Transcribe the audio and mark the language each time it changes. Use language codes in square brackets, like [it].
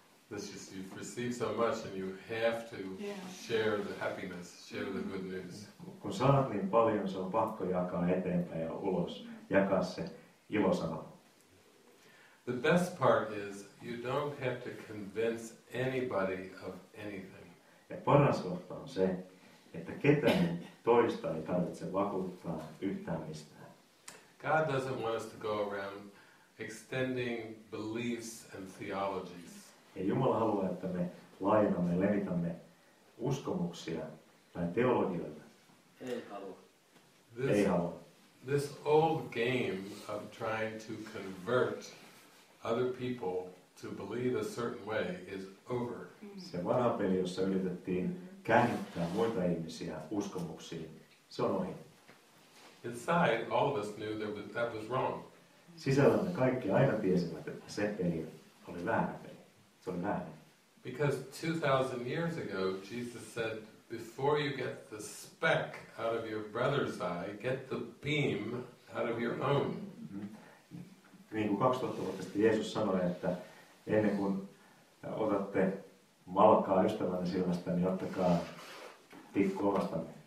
[en] That's just, you've received so much and you have to share the happiness, share the good news. [fi] Kun saat niin paljon, se on pakko jakaa eteenpäin ja ulos, jakaa se ilosana. [en] The best part is, you don't have to convince anybody of anything. [fi] Ja paras kohta on se, että ketään toista ei tarvitse vakuuttaa yhtään mistään. [en] God doesn't want us to go around extending beliefs and theologies. [fi] Ja Jumala haluaa, että me laajennamme, levitämme uskomuksia tai teologioita. Ei halua. [en] This old game of trying to convert other people to believe a certain way is over. [fi] Se vanha peli, jossa yritettiin kääntää muita ihmisiä uskomuksiin, se on ohi. [en] Inside, all of us knew that was wrong. [fi] Sisällämme kaikki aina tiesivät, että se peli oli väärä peli. Se oli väärä. [en] Because 2000 years ago, Jesus said, before you get the speck out of your brother's eye, get the beam out of your own. [fi] Niin kuin 2000 vuotta sitten Jeesus sanoi, että ennen kuin otatte malkaa ystävänne silmästä, niin ottakaa tikku omastanne.